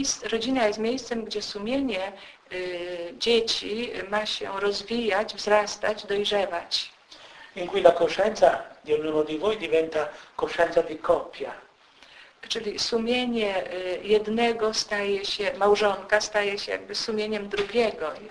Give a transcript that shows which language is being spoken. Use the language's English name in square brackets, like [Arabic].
[Polish] Rodzina jest miejscem, gdzie sumienie dzieci ma się rozwijać, wzrastać, dojrzewać. [Italian] In cui la coscienza di ognuno di voi diventa coscienza di coppia. [Polish] Czyli sumienie jednego staje się, małżonka staje się jakby sumieniem drugiego.